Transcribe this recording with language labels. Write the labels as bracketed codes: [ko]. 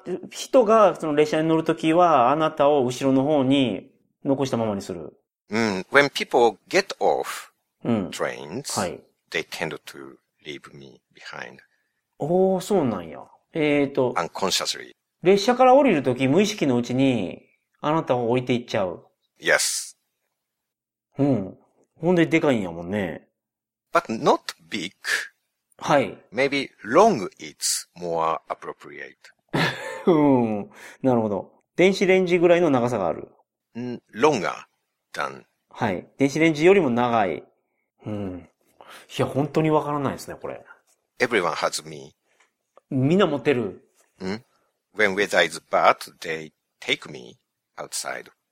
[ja] 人がその列車に乗るときは、あなたを後ろの方に残したままにする。 [en] When people get off trains,、うんはい、they tend to leave me behind. [ja] おお、そうなんや。 [en] Unconsciously. [ja] 列車から降りるとき、無意識のうちに、あなたを置いていっちゃう。 [en] Yes. [ja] うん。ほんで、でかいんやもんね。 [en] But not big. [ja] はい。 [en] Maybe long is more appropriate. [ja] うん。なるほど。電子レンジぐらいの長さがある。 [en] Longer than. [ja] はい。電子レンジよりも長い。うん。いや、本当にわからないですね、これ。 [en] Everyone has me. [ja] みんな持ってる。 [en] ん ?When weather is bad, they take me outside.